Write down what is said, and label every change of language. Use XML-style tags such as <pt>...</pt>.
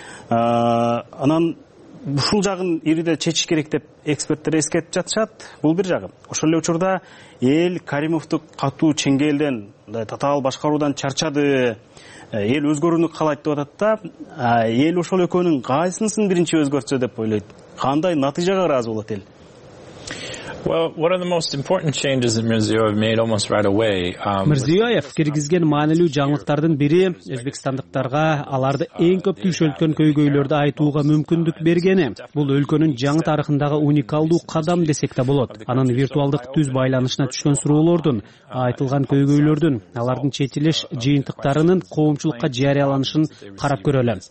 <ky>Анан ушул жагын ириде чечиш керек деп эксперттер эскертип жатышат. Бул бир жагы. Ошол эле учурда эл Каримовду катуу ченгээлден, мындай татаал башкаруудан чарчады. Эл өзгөрүүнү каалайт деп атат да, эл ошол экөөнүн кайсынысын биринчи өзгөртсө деп ойлойт. Кандай натыйжага ыраазы болот эл?</ky> <en>Well, one of the most important changes that Mirziyoyev made almost right away.</en> <ky>Mirziyoyev киргизген маанилүү жаңылыктардын бири өзбекстандыктарга аларды эң көп түшөлткөн көйгөйлөрдү айтууга мүмкүндүк бергени. Бул өлкөнүн жаңы тарыхындагы уникалдуу кадам десек да болот. Анын виртуалдык түз байланышына түшкөн суроолордун, айтылган көйгөйлөрдүн, алардын чечилиш жыйынтыктарынын коомчулукка жарыяланышын карап көрөлү.</ky>